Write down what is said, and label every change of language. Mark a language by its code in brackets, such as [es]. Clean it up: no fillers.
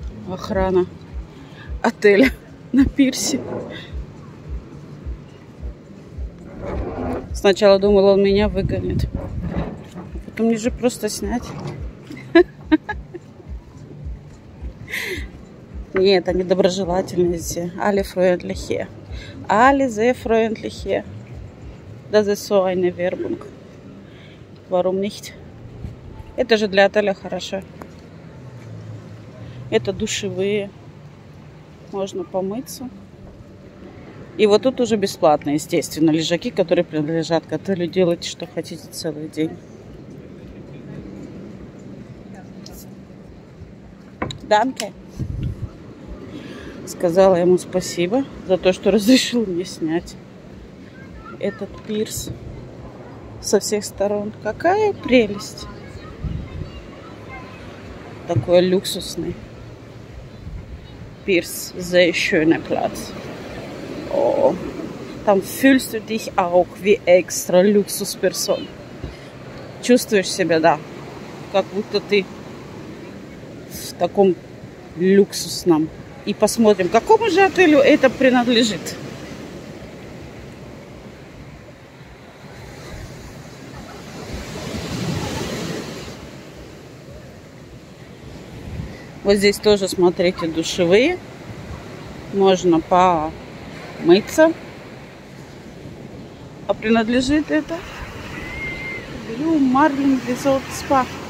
[ru] Охрана отеля на пирсе. Сначала думала, он меня выгонит. А потом мне же просто снять. Нет, они доброжелательные все. [de] Alle freundlich hier. Alle sehr freundlich hier. Das ist so eine Werbung. Warum nicht? [ru] Это же для отеля хорошо. Это душевые. Можно помыться. И вот тут уже бесплатно, естественно, лежаки, которые принадлежат к отелю. Делайте, что хотите, целый день. Данке. Сказала ему спасибо за то, что разрешил мне снять этот пирс со всех сторон. Какая прелесть. Такой люксусный пирс. [de] Sehr schöner Platz. Oh. [ru] Там [de] fühlst du dich auch wie extra Luxus Person. [ru] Чувствуешь себя, да, как будто ты в таком люксусном. И посмотрим, какому же отелю это принадлежит. Вот здесь тоже, смотрите, душевые. Можно помыться. А принадлежит это Blue Marlin Resort Spa.